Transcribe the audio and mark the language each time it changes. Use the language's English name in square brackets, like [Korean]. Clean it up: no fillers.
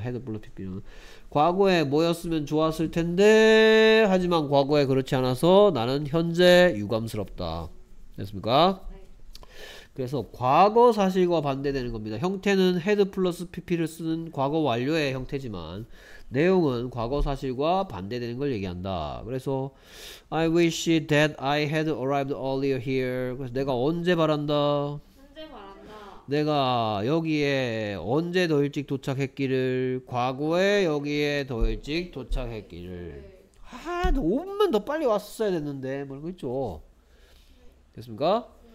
[Korean] had 플러스 pp 이런 과거에 뭐였으면 좋았을 텐데 하지만 과거에 그렇지 않아서 나는 현재 유감스럽다. 됐습니까? 그래서 과거 사실과 반대되는 겁니다. 형태는 had 플러스 pp를 쓰는 과거 완료의 형태지만 내용은 과거 사실과 반대되는 걸 얘기한다. 그래서 [English] I wish that I had arrived earlier here. [Korean] 그래서 내가 언제 바란다? 내가 여기에 언제 더 일찍 도착했기를, 과거에 여기에 더 일찍 도착했기를. 아, 오면 더 빨리 왔었어야 됐는데 뭐 이런 거 있죠. 됐습니까?